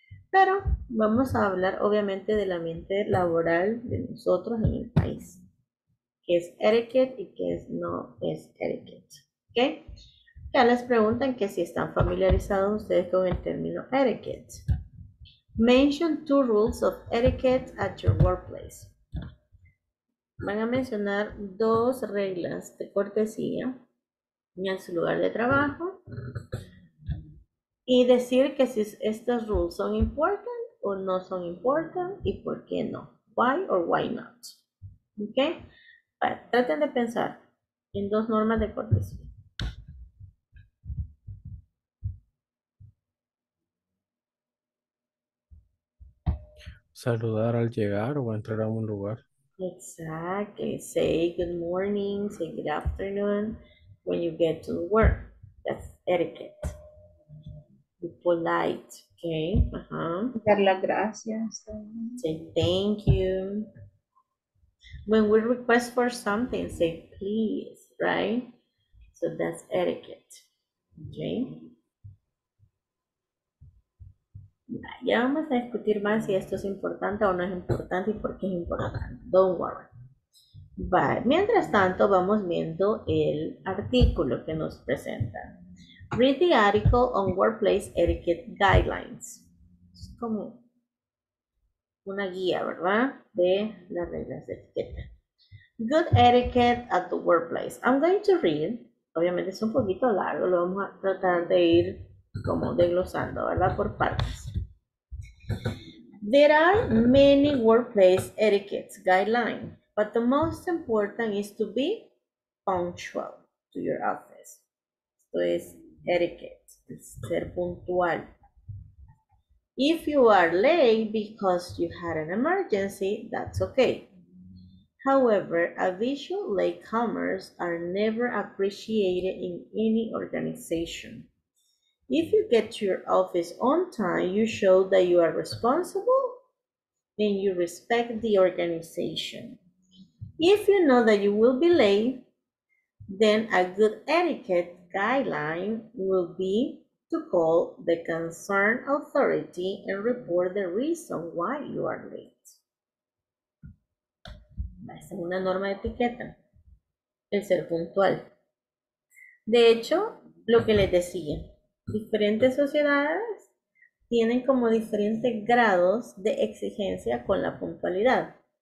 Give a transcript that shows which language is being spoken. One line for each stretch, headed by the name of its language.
Spanish: Pero vamos a hablar, obviamente, del ambiente laboral de nosotros en el país. ¿Qué es etiquette y qué no es etiquette? ¿Ok? Ya les preguntan que si están familiarizados ustedes con el término etiquette.
English: Mention two rules of etiquette at your workplace.
Spanish: Van a mencionar dos reglas de cortesía en su lugar de trabajo y decir que si estas
English: rules
Spanish: son
English: important
Spanish: o no son important y por qué no.
English: Why or why not?
Spanish: ¿Ok? Traten de pensar en dos normas de cortesía. Saludar al llegar o entrar a un lugar.
English: Exactly. Say good morning, say good afternoon when you get to work. That's etiquette. Be polite, okay?
Spanish: Dar las gracias.
English: Say thank you. When we request for something, say please, right? So that's etiquette, okay?
Spanish: Ya vamos a discutir más si esto es importante o no es importante y por qué es importante.
English: Don't worry. But,
Spanish: mientras tanto, vamos viendo el artículo que nos presenta.
English: Read the article on workplace etiquette guidelines.
Spanish: Es como una guía, ¿verdad? De las reglas de etiqueta.
English: Good etiquette at the workplace. I'm going to read.
Spanish: Obviamente es un poquito largo. Lo vamos a tratar de ir como desglosando, ¿verdad? Por partes.
English: There are many workplace etiquettes guidelines, but the most important is to be punctual to your office. Esto es etiquette, es ser puntual. If you are late because you had an emergency, that's okay. However, habitual latecomers are never appreciated in any organization. If you get to your office on time, you show that you are responsible and you respect the organization. If you know that you will be late, then a good etiquette guideline will be to call the concerned authority and report the reason why you are late.
Spanish: Esa es una norma de etiqueta, el ser puntual. De hecho, lo que les decía, diferentes sociedades tienen como diferentes grados de exigencia con la puntualidad.